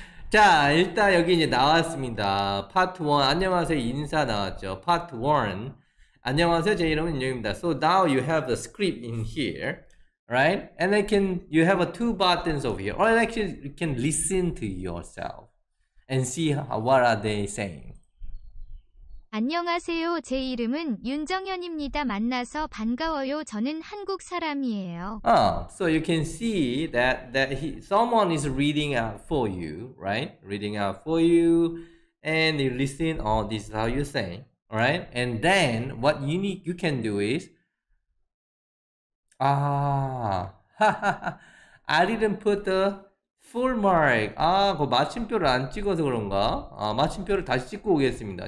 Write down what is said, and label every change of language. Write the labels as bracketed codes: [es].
[ko] 자, 일단 여기 이제 나왔습니다. Part 1, 안녕하세요, 인사 나왔죠. Part 1, 안녕하세요, 제 이름은 윤정입니다. [en] So now you have the script in here, right? And I can, you have a two buttons over here. Or actually, you can listen to yourself and see what are they saying. [ko] 안녕하세요, 제 이름은 윤정현입니다. 만나서 반가워요. 저는 한국 사람이에요. [en] So you can see that he, someone is reading out for you, right? Reading out for you, and you listen. Oh, this is how you say, right? And then what you need, you can do is, I didn't put the full mark. [ko] 아, 그 마침표를 안 찍어서 그런가? 아, 마침표를 다시 찍고 오겠습니다.